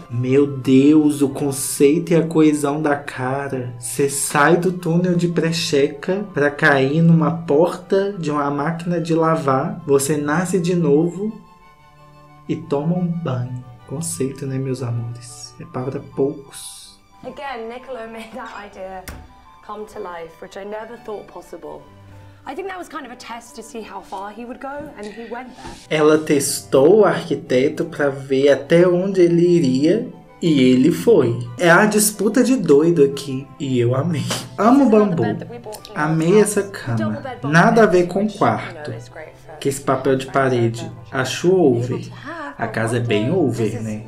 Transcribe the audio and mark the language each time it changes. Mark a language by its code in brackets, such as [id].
[pt] Meu Deus, o conceito e a coesão da cara. Você sai do túnel de precheca para cair numa porta de uma máquina de lavar. Você nasce de novo e toma um banho. Conceito, né, meus amores? É para poucos. [en] Again, Niccolo made that idea come to life, which I never thought possible. I think that was kind of a test to see how far he would go, and he went there. [pt] Ela testou o arquiteto para ver até onde ele iria. E ele foi. É a disputa de doido aqui. E eu amei. Amo bambu. Amei essa cama. Nada a ver com o quarto. Que esse papel de parede. Acho over. A casa é bem over, né?